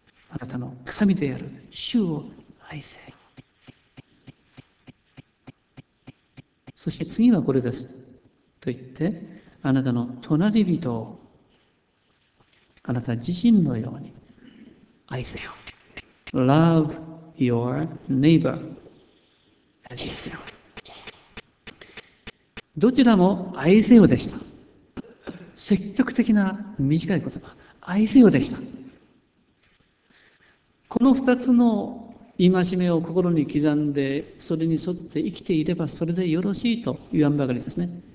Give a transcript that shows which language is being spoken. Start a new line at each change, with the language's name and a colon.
Japanese: あなたの神である主を愛せよ。そして次はこれです。と言って、あなたの隣人をあなた自身のように愛せよ。
English: Love your neighbor as yourself。
Japanese: どちらも愛せよでした。積極的な短い言葉、愛せよでした。この二つの戒めを心に刻んで、それに沿って生きていればそれでよろしいと言わんばかりですね。